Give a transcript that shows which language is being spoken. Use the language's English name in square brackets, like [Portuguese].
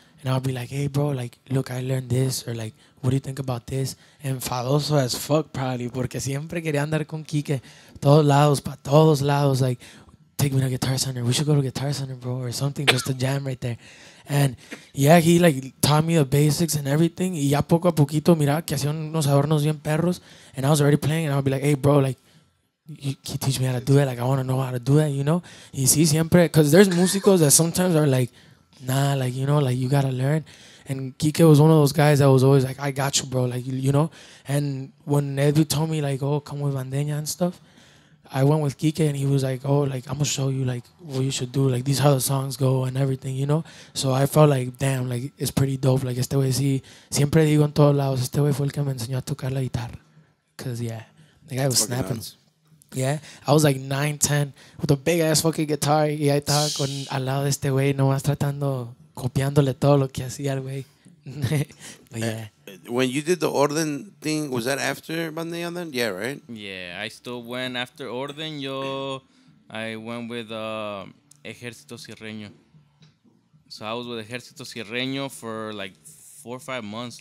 [English] And I would be like, hey, bro, like, look, I learned this, or like, what do you think about this? [Spanish] Enfadoso [English] as fuck, probably, [Spanish] porque siempre quería andar con Kike todos lados, pa' todos lados, like, [English] take me to a guitar center. We should go to a guitar center, bro, or something, just to jam right there. And yeah, he like taught me the basics and everything. [Spanish] Y ya poco a poquito, mira, que hacía unos adornos bien perros. [English] And I was already playing, and I would be like, hey, bro, like, can you teach me how to do that? Like, I want to know how to do that, you know? [Spanish] Y sí, siempre, [English] because there's músicos that sometimes are like, nah, like, you know, like, you got to learn. And Kike was one of those guys that was always like, I got you, bro, like, you know? And when Edwin told me, like, oh, come with bandeña and stuff, I went with Kike and he was like, oh, like, I'm going to show you, like, what you should do. Like, these are how the songs go and everything, you know? So I felt like, damn, like, it's pretty dope. [Spanish] Like, este güey sí, siempre digo en todos lados, este güey fue el que me enseñó a tocar la guitarra. [English] Because, yeah, the guy was fucking snapping. Nice. Yeah, I was like 9, 10 with a big-ass fucking guitar. [Spanish] Y ahí estaba al lado de este güey, nomás tratando, copiándole todo lo que hacía el güey. [English] But, yeah. When you did the Orden thing, was that after Bandeña then? Yeah, right? Yeah, I still went after Orden. I went with Ejército Sierreño. So I was with Ejército Sierreño for like 4 or 5 months.